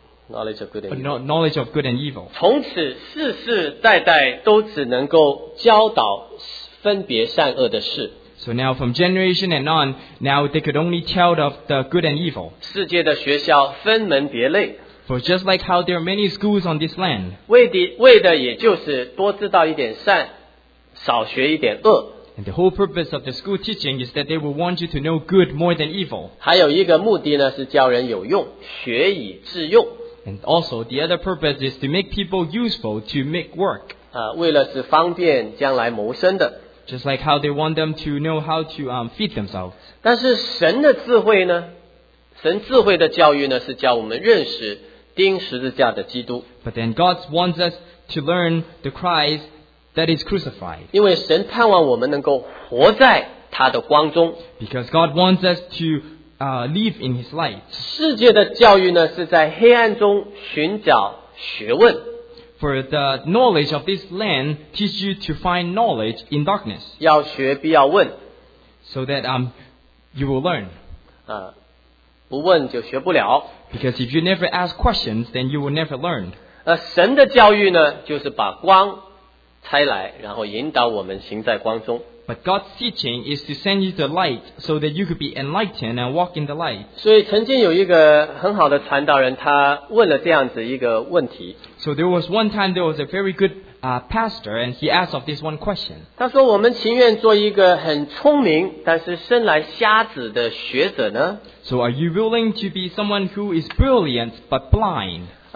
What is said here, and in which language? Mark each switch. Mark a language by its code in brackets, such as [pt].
[en] knowledge of good and evil. [zh] 从此世世代代都只能够教导分别善恶的事。 [en] So now from generation and on, now they could only tell of the good and evil. [zh] 世界的学校分门别类。 [en] For just like how there are many schools on this land, [zh] 为的也就是多知道一点善, 少学一点恶, [en] And the whole purpose of the school teaching is that they will want you to know good more than evil. [zh] 还有一个目的呢, 是教人有用, 学以致用。 [en] And also, the other purpose is to make people useful, to make work. [zh] 为了是方便将来谋生的。 [en] Just like how they want them to know how to feed themselves. [zh] 但是神的智慧呢? 神智慧的教育呢, 是教我们认识, 钉十字架的基督。 [en] But then God wants us to learn the Christ that is crucified. [zh] 因为神盼望我们能够活在他的光中。 [en] Because God wants us to live in his light. [zh] 世界的教育呢, 是在黑暗中寻找学问。 [en] For the knowledge of this land teach you to find knowledge in darkness. [zh] 要学必要问。 [en] So that you will learn. [zh] 不问就学不了。 [en] Because if you never ask questions, then you will never learn. [zh] 神的教育呢, 就是把光拆来, 然后引导我们行在光中。 [en] But God's teaching is to send you the light so that you could be enlightened and walk in the light. [zh] 所以曾经有一个很好的传道人, 他问了这样子一个问题。 [en] So there was one time there was a very good pastor and he asked of this one question. [zh] 他说我们情愿做一个很聪明, 但是生来瞎子的学者呢? [en] So are you willing to be someone who is brilliant but blind?